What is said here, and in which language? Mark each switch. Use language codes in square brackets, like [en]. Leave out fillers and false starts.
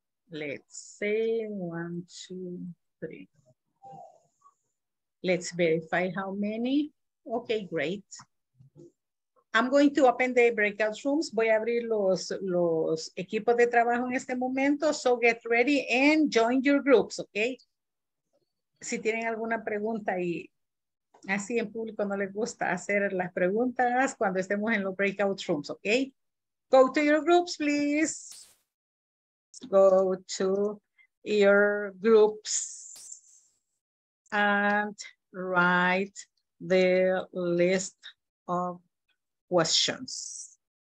[en] Let's say 1, 2, 3. Let's verify how many. Okay, great. I'm going to open the breakout rooms. [es] Voy a abrir los equipos de trabajo en este momento. [en] So get ready and join your groups, okay? [es] Si tienen alguna pregunta y así en público no les gusta hacer las preguntas cuando estemos en los breakout rooms, okay? [en] Go to your groups, please. Go to your groups and write the list of questions.